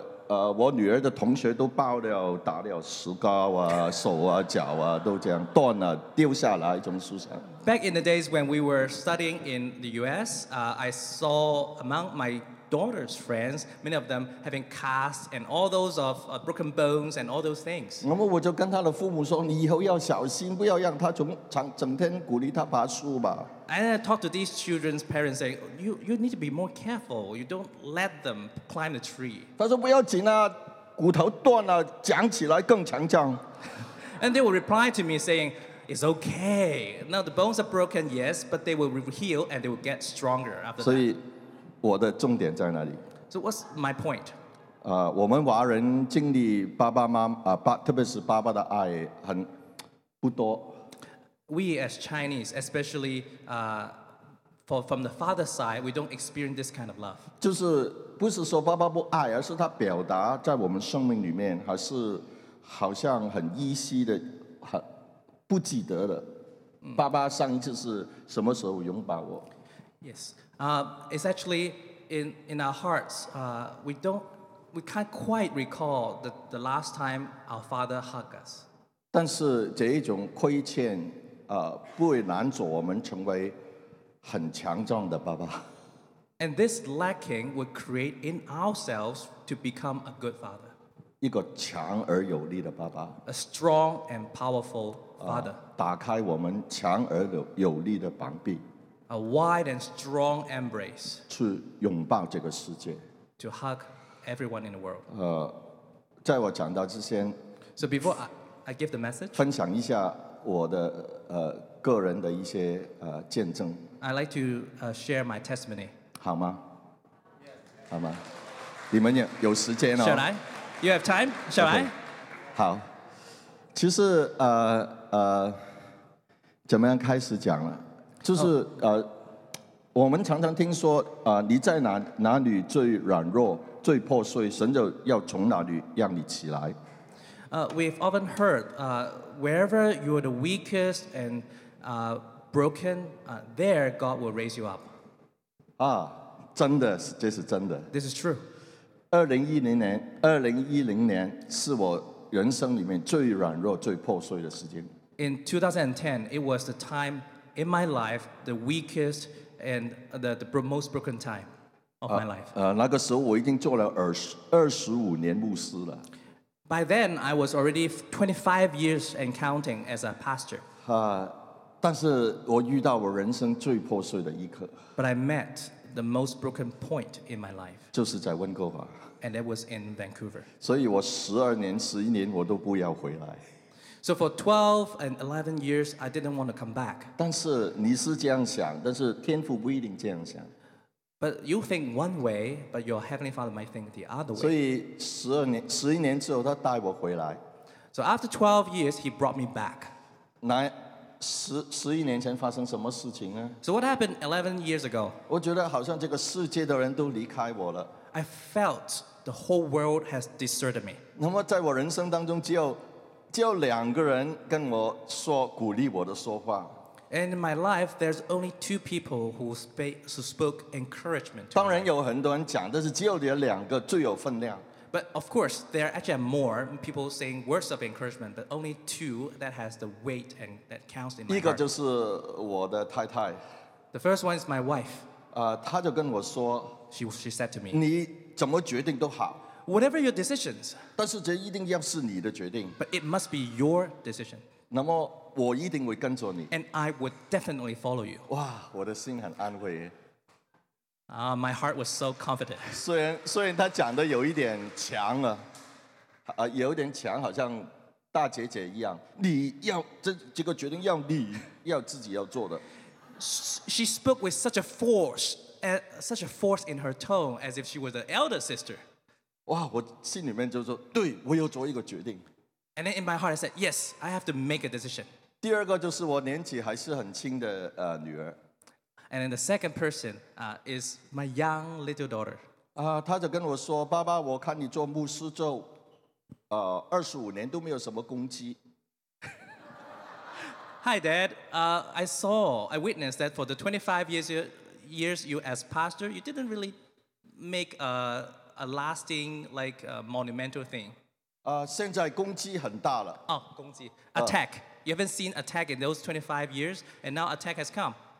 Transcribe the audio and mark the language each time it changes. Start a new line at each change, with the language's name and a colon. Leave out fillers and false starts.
Chinese: 我女儿的同学都爆了，打了石膏啊，手啊，脚啊，都这样断了，丢下来从树上。
English: Back in the days when we were studying in the U.S., I saw among my daughter's friends, many of them having casts and all those of broken bones and all those things.
Chinese: 那么我就跟她的父母说，你以后要小心，不要让她整天鼓励她爬树吧。
English: And I talked to these children's parents saying, you need to be more careful. You don't let them climb the tree.
Chinese: 他说不要紧啊，骨头断了，长起来更强壮。
English: And they will reply to me saying, it's okay. Now the bones are broken, yes, but they will heal and they will get stronger after that.
Chinese: 所以我的重点在哪里？
English: So what's my point?
Chinese: 我们华人经历爸爸妈妈，特别是爸爸的爱很不多。
English: We as Chinese, especially from the father's side, we don't experience this kind of love.
Chinese: 就是不是说爸爸不爱，而是他表达在我们生命里面，还是好像很依稀的，很不记得了。爸爸上一次是什么时候拥抱我？
English: Yes, it's actually in our hearts. We can't quite recall the last time our father hugged us.
Chinese: 但是这一种亏欠。不会拦阻我们成为很强壮的爸爸。
English: And this lacking would create in ourselves to become a good father.
Chinese: 一个强而有力的爸爸。
English: A strong and powerful father.
Chinese: 打开我们强而有力的膀臂。
English: A wide and strong embrace.
Chinese: 去拥抱这个世界。
English: To hug everyone in the world.
Chinese: 在我讲到之前。
English: So before I give the message.
Chinese: 分享一下我的个人的一些见证。
English: I'd like to share my testimony.
Chinese: 好吗？好吗？你们有时间哦。
English: Shall I? You have time? Shall okay. I?
Chinese: 好。其实怎么样开始讲了？就是我们常常听说你在哪里最软弱、最破碎，神就要从哪里让你起来。
English: We've often heard, wherever you are the weakest and broken, there God will raise you up.
Chinese: 啊，真的，这是真的。
English: This is true.
Chinese: 2010年是我人生里面最软弱、最破碎的时间。
English: In 2010, it was the time in my life, the weakest and the most broken time of my life.
Chinese: 那个时候我已经做了25年牧师了。
English: By then, I was already 25 years and counting as a pastor.
Chinese: 但是我遇到我人生最破碎的一刻。
English: But I met the most broken point in my life.
Chinese: 就是在温哥华。
English: And it was in Vancouver.
Chinese: 所以我11年我都不要回来。
English: So for 12 and 11 years, I didn't want to come back.
Chinese: 但是你是这样想，但是天父不一定这样想。
English: But you think one way, but your heavenly father might think the other way.
Chinese: 所以11年之后，他带我回来。
English: So after 12 years, he brought me back.
Chinese: 11年前发生什么事情呢？
English: So what happened 11 years ago?
Chinese: 我觉得好像这个世界的人都离开我了。
English: I felt the whole world has deserted me.
Chinese: 那么在我人生当中，只有两个人跟我说鼓励我的说话。
English: And in my life, there's only two people who spoke encouragement to me.
Chinese: 当然有很多人讲，但是只有这两个最有分量。
English: But of course, there are actually more people saying words of encouragement, but only two that has the weight and that counts in my heart.
Chinese: 一个就是我的太太。
English: The first one is my wife.
Chinese: 她就跟我说。
English: She said to me.
Chinese: 你怎么决定都好。
English: Whatever your decisions.
Chinese: 但是这一定要是你的决定。
English: But it must be your decision.
Chinese: 那么我一定会跟着你。
English: And I would definitely follow you.
Chinese: 哇，我的心很安慰。
English: My heart was so confident.
Chinese: 虽然他讲的有一点强了，有点强，好像大姐姐一样。你要这个决定要自己要做的。
English: She spoke with such a force, such a force in her tone, as if she was an elder sister.
Chinese: 哇，我心里面就说，对，我要做一个决定。
English: And then in my heart, I said, "Yes, I have to make a decision."
Chinese: 第二个就是我年纪还是很轻的女儿。
English: And then the second person is my young little daughter.
Chinese: 她就跟我说，爸爸，我看你做牧师做25年都没有什么攻击。
English: Hi, Dad. I witnessed that for the 25 years you as pastor, you didn't really make a a lasting like a monumental thing.
Chinese: 现在攻击很大了。攻击, attack.
English: You haven't seen attack in those 25 years, and now attack has come.